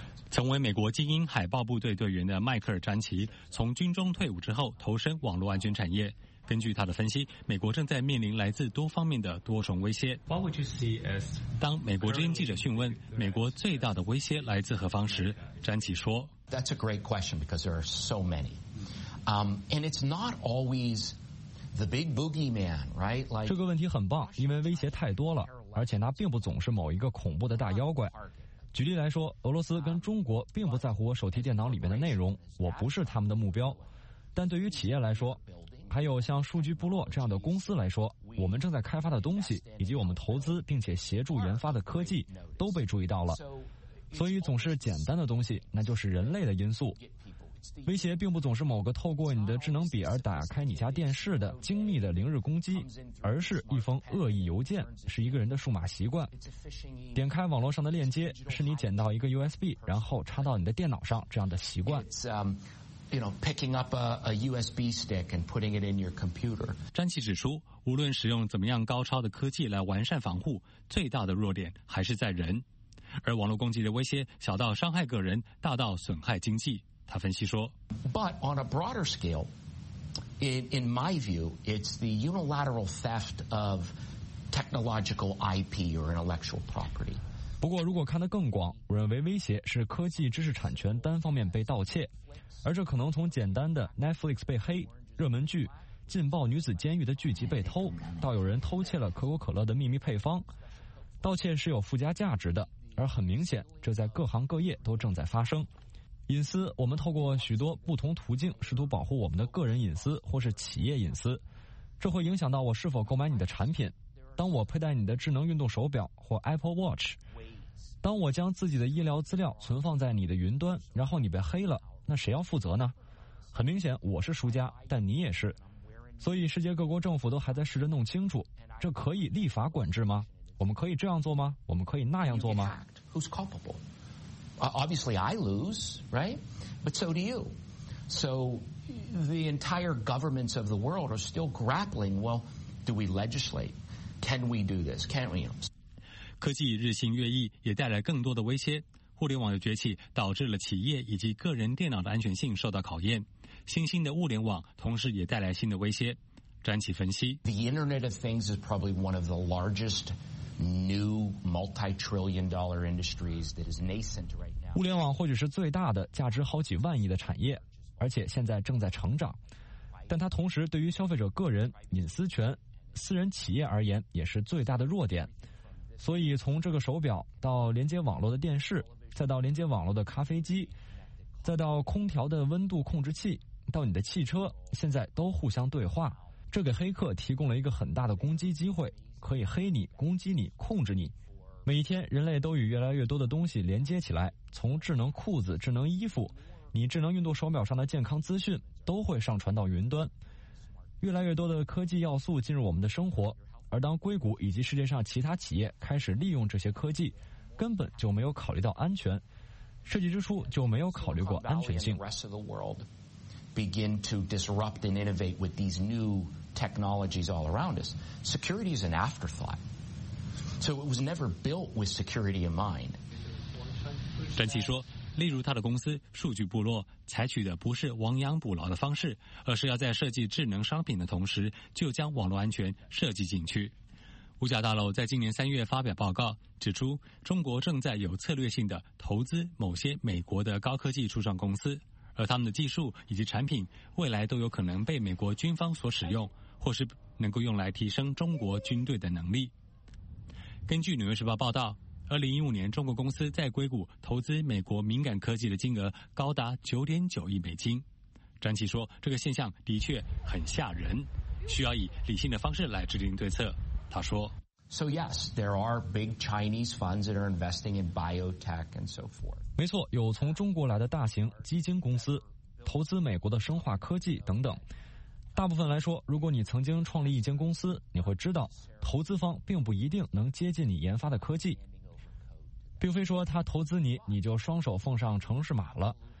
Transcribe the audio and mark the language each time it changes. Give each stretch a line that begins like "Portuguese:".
Chinese: 曾为美国精英海豹部队队员的迈克尔·詹奇从军中退伍之后投身网络安全产业。根据他的分析，美国正在面临来自多方面的多重威胁。当美国之音记者讯问美国最大的威胁来自何方时，詹奇说
English: That's a great question because there are so many. And it's not always the big boogeyman, right?
Chinese: 这个问题很棒，因为威胁太多了，而且那并不总是某一个恐怖的大妖怪。举例来说，俄罗斯跟中国并不在乎我手提电脑里面的内容，我不是他们的目标。但对于企业来说，还有像数据部落这样的公司来说，我们正在开发的东西以及我们投资并且协助研发的科技都被注意到了。所以总是简单的东西，那就是人类的因素。威胁并不总是某个透过你的智能笔而打开你家电视的精密的零日攻击，而是一封恶意邮件，是一个人的数码习惯。点开网络上的链接，是你捡到一个 USB 然后插到你的电脑上这样的习惯。
English: you know, picking up a USB stick and putting it in your computer.
Chinese: 詹奇指出，无论使用怎么样高超的科技来完善防护，最大的弱点还是在人。而网络攻击的威胁，小到伤害个人，大到损害经济。他分析说
English: ，But on a broader scale, in my view, it's the unilateral theft of technological IP or intellectual property.
Chinese: 不过，如果看得更广，我认为威胁是科技知识产权单方面被盗窃，而这可能从简单的 Netflix 被黑、热门剧《劲爆女子监狱》的剧集被偷，到有人偷窃了可口可乐的秘密配方。盗窃是有附加价值的，而很明显，这在各行各业都正在发生。隐私，我们透过许多不同途径试图保护我们的个人隐私或是企业隐私，这会影响到我是否购买你的产品。当我佩戴你的智能运动手表或 Apple Watch， 当我将自己的医疗资料存放在你的云端，然后你被黑了，那谁要负责呢？很明显，我是输家，但你也是。所以世界各国政府都还在试着弄清楚，这可以立法管制吗？我们可以这样做吗？我们可以那样做吗？
English: Who's culpable? Obviously I lose, right? But so do you. So the entire governments of the world are still grappling, well, do we legislate? Can we do this? Can we?
Chinese: 科技日新月异，也带来更多的威胁。互联网的崛起导致了企业以及个人电脑的安全性受到考验。新兴的物联网同时也带来新的威胁。詹奇分析
English: ：The Internet of Things is probably one of the largest new multi-trillion-dollar industries that is nascent right now.
Chinese: 物联网或许是最大的、价值好几万亿的产业，而且现在正在成长。但它同时对于消费者个人隐私权。私人企业而言也是最大的弱点，所以从这个手表到连接网络的电视，再到连接网络的咖啡机，再到空调的温度控制器，到你的汽车，现在都互相对话，这给黑客提供了一个很大的攻击机会，可以黑你、攻击你、控制你。每一天，人类都与越来越多的东西连接起来，从智能裤子、智能衣服，你智能运动手表上的健康资讯都会上传到云端。越来越多的科技要素进入我们的生活，而当硅谷以及世界上其他企业开始利用这些科技，根本就没有考虑到安全，设计之初就没有考虑过安全性。
English: The rest of the world begin to disrupt and innovate with these new technologies all around us. Security is an afterthought, so it was never built with security in mind.
Chinese: 詹奇说。例如他的公司数据部落采取的不是亡羊补牢的方式，而是要在设计智能商品的同时就将网络安全设计进去。五角大楼在今年三月发表报告，指出中国正在有策略性的投资某些美国的高科技初创公司，而他们的技术以及产品未来都有可能被美国军方所使用，或是能够用来提升中国军队的能力。根据纽约时报报道，2015年中国公司在硅谷投资美国敏感科技的金额高达$9.9亿。詹奇说，这个现象的确很吓人，需要以理性的方式来制定对策。他说
English: So yes, there are big Chinese funds that are investing in biotech and so forth.
Chinese: 没错，有从中国来的大型基金公司投资美国的生化科技等等。大部分来说，如果你曾经创立一间公司，你会知道投资方并不一定能接近你研发的科技，并非说他投资你，你就双手奉上城市码了。